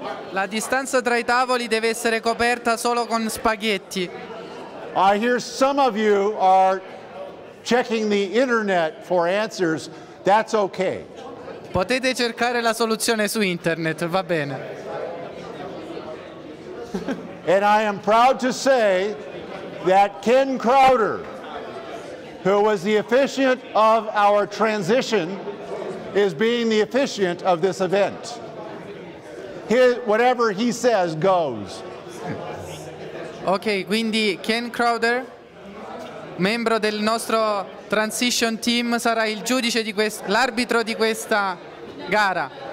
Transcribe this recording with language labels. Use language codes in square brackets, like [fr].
[it] la distanza tra I tavoli deve essere coperta solo con spaghetti. [en] I hear some of you are checking the internet for answers. That's okay. [it] Potete cercare la soluzione su internet, va bene. [en] And I am proud to say that Ken Crowder, who was the officiant of our transition, is being the officiant of this event. Whatever he says goes. [it] Okay, quindi Ken Crowder, membro del nostro transition team, sarà il giudice di l'arbitro di questa gara.